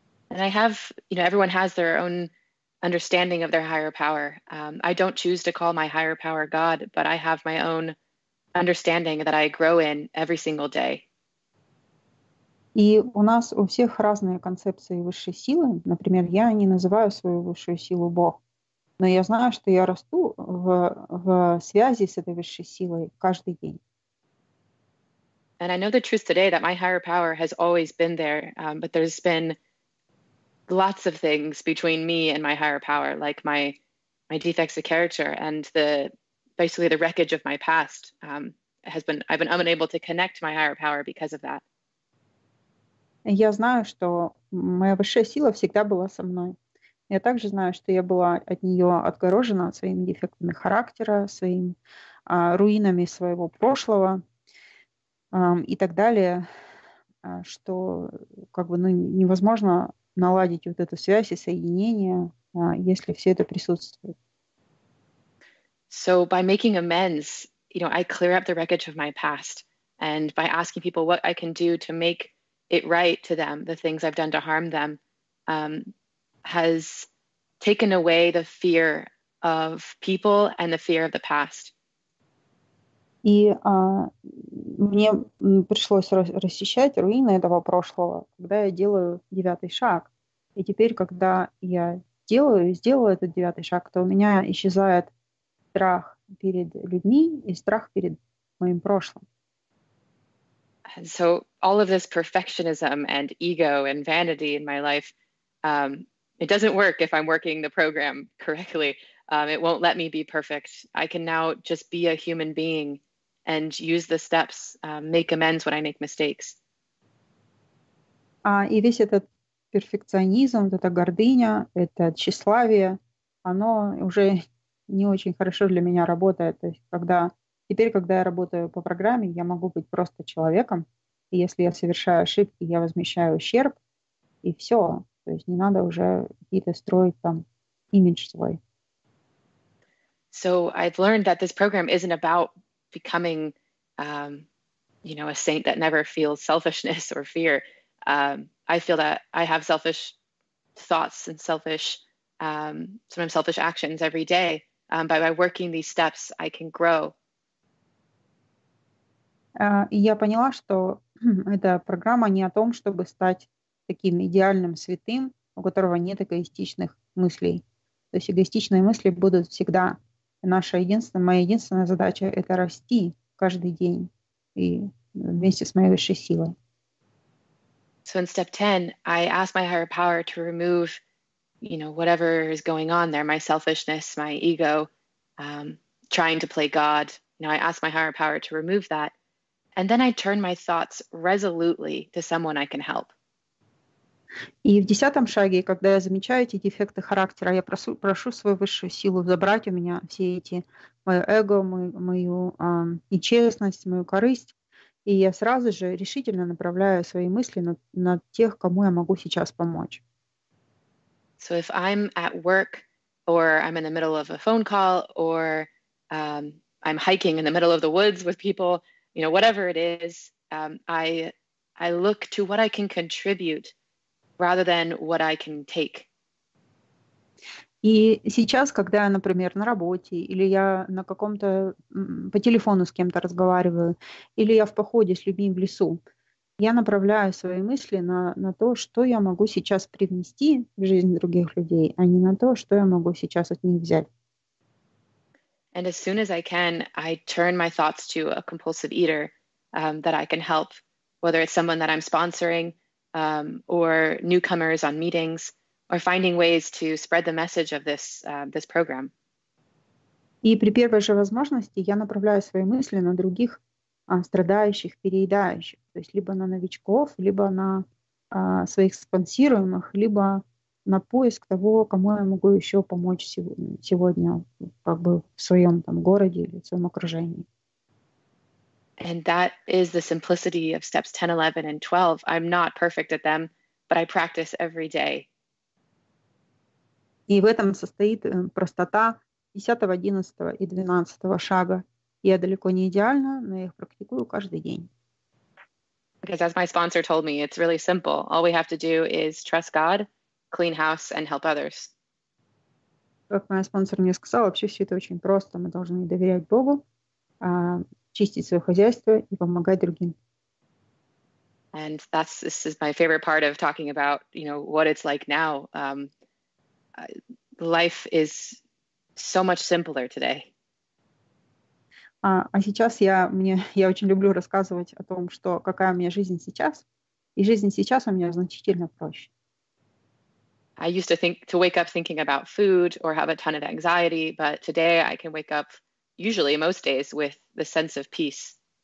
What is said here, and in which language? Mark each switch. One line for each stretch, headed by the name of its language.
English: And I have, you know, everyone has their own understanding of their higher power. I don't choose to call my higher power God, but I have my own understanding that I grow in every single day.
Russian: И у нас у всех разные концепции высшей силы. Например, я не называю свою высшую силу Бог, но я знаю, что я расту в связи с этой высшей силой каждый день.
English: And I know the truth today that my higher power has always been there, but there's been lots of things between me and my higher power, like my defects of character and basically the wreckage of my past, I've been unable to connect to my higher power because of that.
Russian: Я знаю, что моя высшая сила всегда была со мной. Я также знаю, что я была от нее отгорожена своими дефектами характера, своими руинами своего прошлого и так далее, что как бы невозможно наладить вот эту связь и соединение, если все это присутствует.
English: So by making amends, you know, I clear up the wreckage of my past, and by asking people what I can do to make it right to them, the things I've done to harm them, has taken away the fear of people and the fear of the past.
Russian: И мне пришлось расчищать руины этого прошлого, когда я делаю девятый шаг. И теперь, когда я делаю, сделаю этот девятый шаг, то у меня исчезает страх перед людьми и страх перед моим прошлым.
English: And so all of this perfectionism and ego and vanity in my life, it doesn't work if I'm working the program correctly. It won't let me be perfect. I can now just be a human being and use the steps, make amends when I make mistakes.
Russian: И весь этот перфекционизм, вот эта гордыня, это тщеславие, оно уже не очень хорошо для меня работает. То есть когда, теперь, когда я работаю по программе, я могу быть просто человеком. И если я совершаю ошибки, я возмещаю ущерб, и все. То есть не надо уже какие-то строить там имидж свой.
English: So I've learned that this program isn't about becoming, you know, a saint that never feels selfishness or fear. I feel that I have selfish thoughts and selfish, sometimes selfish actions every day. But by working these steps, I can grow.
Russian: Я поняла, что эта программа не о том, чтобы стать таким идеальным святым, у которого нет эгоистичных мыслей. То есть эгоистичные мысли будут всегда. Наша единственная, моя единственная задача — это расти каждый день и вместе с моей высшей силой.
English: So in step 10, I ask my higher power to remove, you know, whatever is going on there, my selfishness, my ego, trying to play God. You know, I ask my higher power to remove that. And then I turn my thoughts resolutely to someone I can help.
Russian: И в десятом шаге, когда я замечаю эти дефекты характера, я прошу свою высшую силу забрать у меня все эти, мое эго, мою нечестность, мою корысть. И я сразу же решительно направляю свои мысли на тех, кому я могу сейчас помочь.
English: So if I'm at work, or I'm in the middle of a phone call, or I'm hiking in the middle of the woods with people, you know, whatever it is, I look to what I can contribute rather than what I can take.
Russian: И сейчас, когда я, например, на работе, или я на каком-то по телефону с кем-то разговариваю, или я в походе с людьми в лесу, я направляю свои мысли на то, что я могу сейчас привнести в жизнь других людей, а не на то, что я могу сейчас от них взять.
English: And as soon as I can, I turn my thoughts to a compulsive eater that I can help, whether it's someone that I'm sponsoring, or newcomers on meetings. Or finding ways to spread the message of this this program.
Russian: И при первой же возможности я направляю свои мысли на других страдающих, переедающих, то есть либо на новичков, либо на своих спонсируемых, либо на поиск того, кому я могу еще помочь сегодня, как бы в своем там городе или в своем окружении.
English: And that is the simplicity of steps 10, 11, and 12. I'm not perfect at them, but I practice every day.
Russian: И в этом состоит простота 10, 11 и 12 шага. Я далеко не идеальна, но я их практикую каждый день.
English: Because as my sponsor told me, it's really simple. All we have to do is trust God, clean house, and help others.
Russian: Как моя спонсор мне сказала, вообще все это очень просто. Мы должны доверять Богу, чистить свое хозяйство и помогать другим.
English: And that's, this is my favorite part of talking about, you know, what it's like now. Life is so much simpler today.
Russian: А сейчас я очень люблю рассказывать о том, что какая у меня жизнь сейчас, и жизнь сейчас у меня значительно проще.
English: I used to think to wake up thinking about food or have a ton of anxiety, but today I can wake up usually most days with the sense of peace.